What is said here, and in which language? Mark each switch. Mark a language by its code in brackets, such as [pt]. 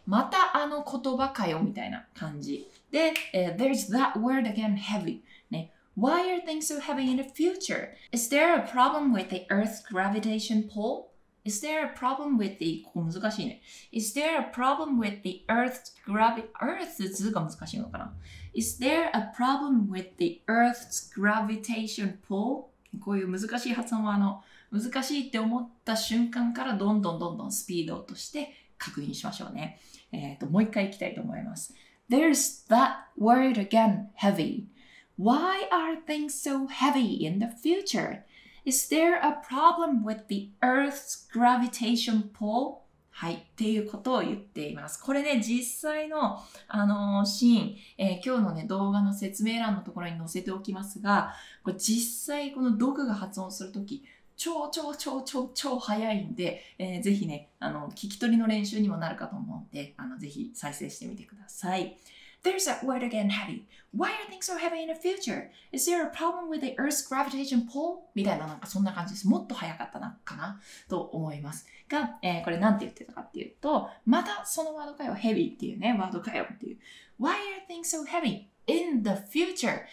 [ja] また言葉かよみたいな感じ。 [en] で、there's that word again heavy. ね。 Why are things so heavy in the future? Is there a problem with the Earth's gravitation pull? Is there a problem with the... [ja] ここ難しいね。 [en] Is there a problem with the Earth's gravity... [ja] Earth's 図が難しいのかな。 [en] Is there a problem with the Earth's gravitation pull? [ja] こういう難しい発音は難しいって思った瞬間からどんどんどんどんスピード落として確認しましょうね。もう一回いきたいと思います。 [en] There's that word again, heavy. Why are things so heavy in the future? Is there a problem with the Earth's gravitation pull? [ja] はい、っていうことを言っています。これね、実際のシーン、今日のね、動画の説明欄のところに載せておきますが、これ実際このドクが発音するとき、超早いんで、ぜひね、聞き取りの練習にもなるかと思うんで、ぜひ再生してみてください。 [en] There's that word again, Hattie. Why are things so heavy in the future? Is there a problem with the Earth's gravitation pull? [ja] みたいな、なんかそんな感じです。もっと早かったな、かな、と思います。が、これなんて言ってたかっていうと、またそのワードかよ、heavy っていうね、ワードかよっていう。 [en] Why are things so heavy in the future?